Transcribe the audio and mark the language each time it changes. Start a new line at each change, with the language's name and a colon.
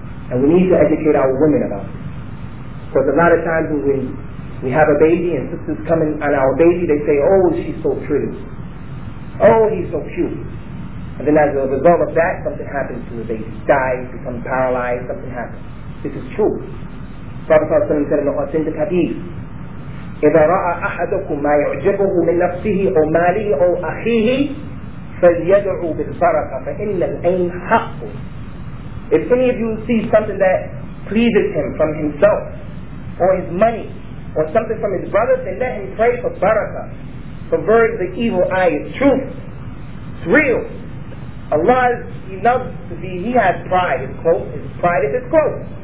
English: And we need to educate our women about this. Because a lot of times when we have a baby and sisters come in on our baby, they say, oh, she's so pretty. Oh, he's so cute. And then as a result of that, something happens to the baby. Dies, becomes paralyzed, something happens. This is true. Prophet ﷺ said in the authentic hadith,
Arabic: إِذَا رَأَ أَحَدَكُمْ مَا يُعْجِبُهُ مِنْ نَفْسِهِ أَوْ مَالِهِ أَوْ أَخِيهِ فَلْيَدْعُوا بِالْبَرَكَةِ فَإِنَّ الْأَيْنَ حَقُّ.
English: If any of you see something that pleases him from himself, or his money, or something from his brother, then let him pray for barakah. For verily the evil eye is truth. It's real. Allah is, he loves to be, he has pride, his pride is his cloak.